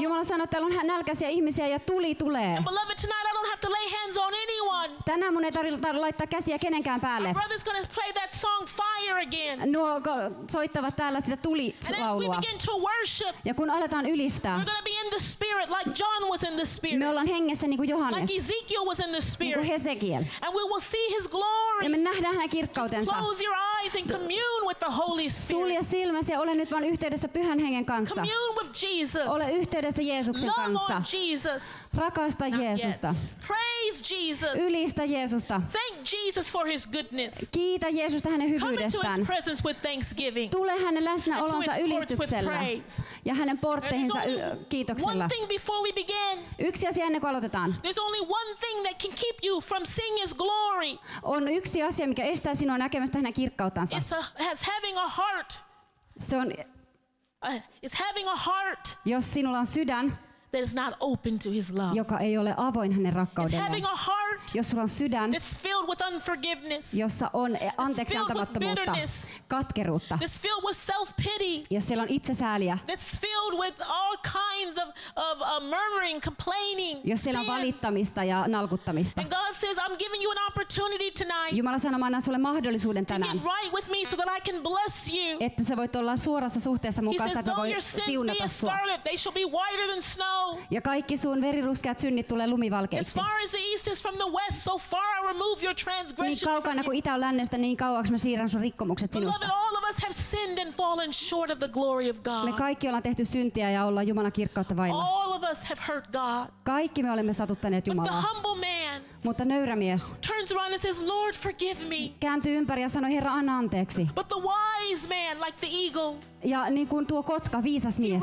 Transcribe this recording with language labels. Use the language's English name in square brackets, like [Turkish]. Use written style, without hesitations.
[Finnish] Jumala sanoo, että täällä on nälkäisiä ihmisiä ja tuli tulee. [English] And beloved, tonight I don't have to lay hands on anyone. [Finnish] Tänään mun ei tarvitse laittaa käsiä kenenkään päälle. [English] My brother's gonna play that song fire again. [Finnish] Nuo soittavat täällä sitä tuli laulua. [English] And as we begin to worship, [Finnish] ja kun aletaan ylistää, [English] we're gonna be in the spirit like John was in the spirit. [Finnish] Me ollaan hengessä niin kuin Johannes. [English] Like Ezekiel was in the spirit. [Finnish] Niin kuin Hesekiel. [English] And we will see his glory. [Finnish] Ja me nähdään hänen kirkkautensa. [English] Close your eyes and commune with the Holy Spirit. [Finnish] Sulje silmäsi ja ole nyt vaan yhteydessä Pyhän Hengen kanssa. [English] Commune with Jesus. [Finnish] Ole yhteydessä Jeesuksen [English] love [Finnish] kanssa. [English] Love Jesus. [Finnish] Rakasta Jeesusta. [English] Praise Jesus. [Finnish] Ylistä Jeesusta. [English] Thank Jesus for his goodness. [Finnish] Kiitä Jeesusta hänen hyvyydestään. [English] Come into his presence with thanksgiving. [Finnish] Tule hänen läsnäolonsa ylistyksellä. Ja hänen portteihinsa kiitoksella. [English] One thing before we begin. [Finnish] Yksi asia ennen kuin aloitetaan. [English] There's only one thing that can keep you from seeing his glory. [Finnish] On yksi asia, mikä estää sinua näkemästä hänen kirkkauttansa. [English] It's having a heart. [Finnish] Se on [English] it's having a heart. [Finnish] Jos sinulla on sydän, [English] that is not open to his love. [Finnish] Joka ei ole avoin hänen rakkaudelleen. [English] It's having a heart. [Finnish] Jos sulla on sydän, [English] it's filled with unforgiveness. [Finnish] Jossa on anteeksiantamattomuutta, katkeruutta. [English] It's filled with self-pity. [Finnish] Jos siellä on itsesääliä. [English] It's filled with all kinds of murmuring, complaining. [Finnish] Jos siellä on valittamista ja nalkuttamista. [English] And God says, I'm giving you an opportunity tonight. [Finnish] Jumala sanoo, mä annan sulle mahdollisuuden tänään. [English] To get right with me so that I can bless you. [Finnish] Että sä voit olla suorassa suhteessa mun kanssa, että voi siunata sua. [English] They shall be whiter than snow. [Finnish] Ja kaikki sun veriruskeat synnit tulee lumivalkeiksi. [English] As far as the east is from the west, so far I remove your transgressions. [Finnish] Niin kaukana kuin itä on lännestä, niin kauaks mä siirrän sun rikkomukset sinusta. [English] Beloved, all of us have sinned and fallen short of the glory of God. [Finnish] Me kaikki ollaan tehty syntiä ja ollaan Jumalan kirkkautta vailla. [English] All of us. us have hurt God. [Finnish] Kaikki me olemme satuttaneet Jumalaa. [English] But the humble man. [Finnish] Mutta nöyrä mies. [English] Turns around and says, Lord, forgive me. [Finnish] Kääntyy ympäri ja sanoo, Herra, anna anteeksi. [English] But the wise man, like the eagle. [Finnish] Ja niin kuin tuo kotka, viisas mies.